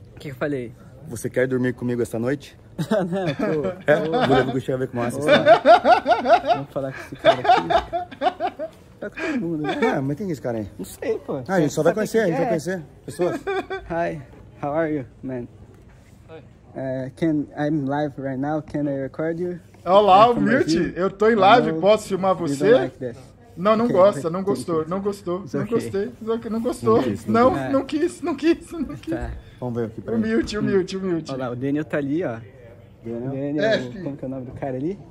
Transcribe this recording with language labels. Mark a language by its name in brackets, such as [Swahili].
[Portuguese] O que eu falei? Você quer dormir comigo esta noite? Não, [French] pô. Voulez-vous coucher avec moi? [Portuguese] Vamos falar com esse cara aqui. Tá com todo mundo, né? Ah, mas quem é esse cara aí? Não sei, pô. Ah, a gente só vai conhecer, a gente vai conhecer pessoas. [English] Hi, how are you, man? Hi. I'm live right now, can I record you? [Portuguese] Olá, humilde, eu tô em live, posso filmar você? [English] You don't like this. [Portuguese] Não, não gosta, não gostou, não gostou, não gostei, não gostou, não quis. Tá. Vamos ver aqui pra mim. Humilde. Olha lá, o Daniel tá ali, ó. Daniel, como que é o nome do cara ali?